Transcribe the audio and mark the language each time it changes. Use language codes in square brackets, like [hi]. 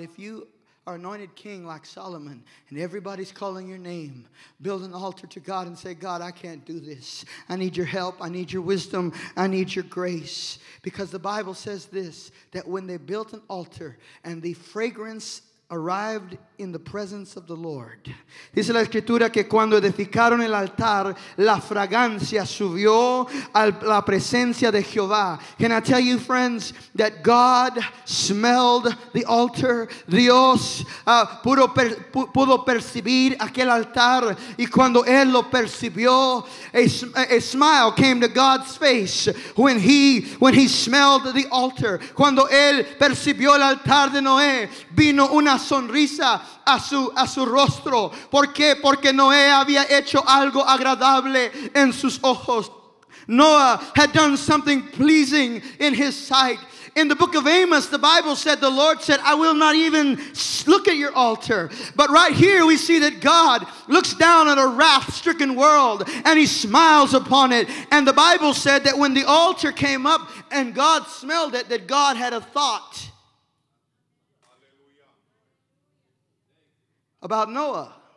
[en] If you are anointed king like Solomon, and everybody's calling your name, build an altar to God and say, God, I can't do this. I need your help. I need your wisdom. I need your grace. Because the Bible says this, that when they built an altar and the fragrance arrived in the presence of the Lord. [es] Dice la escritura que cuando edificaron el altar, la fragancia subió a la presencia de Jehová. [en] Can I tell you, friends, that God smelled the altar. [es] Dios pudo percibir aquel altar. Y cuando él lo percibió, [en] a smile came to God's face when he smelled the altar. [es] Cuando él percibió el altar de Noé, vino una sonrisa a su rostro. ¿Por qué? Porque Noé había hecho algo agradable en sus ojos. [en] Noah had done something pleasing in his sight. In the book of Amos, the Bible said, the Lord said, I will not even look at your altar. But right here we see that God looks down at a wrath-stricken world and he smiles upon it. And the Bible said that when the altar came up and God smelled it, that God had a thought about Noah.